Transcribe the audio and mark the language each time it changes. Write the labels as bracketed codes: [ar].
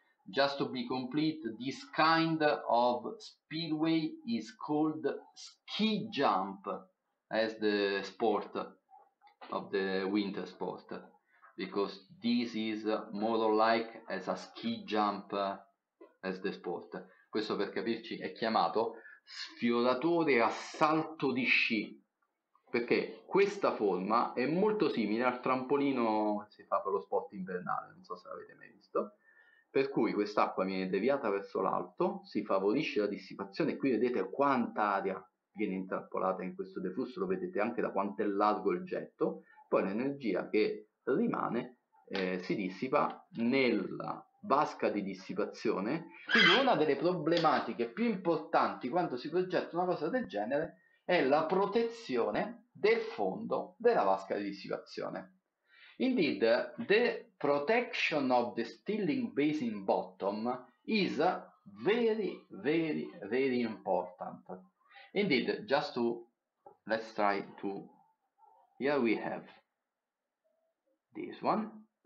[en] Just to be complete, this kind of speedway is called ski jump as the sport of the winter sport, because this is more like as a ski jump as the sport. [it] Questo, per capirci, è chiamato sfioratore a salto di sci, perché questa forma è molto simile al trampolino che si fa per lo sport invernale, non so se l'avete mai visto. Per cui quest'acqua viene deviata verso l'alto, si favorisce la dissipazione, e qui vedete quanta aria viene intrappolata in questo deflusso, lo vedete anche da quanto è largo il getto, poi l'energia che rimane si dissipa nella vasca di dissipazione. Quindi una delle problematiche più importanti quando si progetta una cosa del genere è la protezione del fondo della vasca di dissipazione. [en] Indeed, the protection of the stilling basin bottom is very, very, very important. Indeed, just to, let's try to, here we have this one.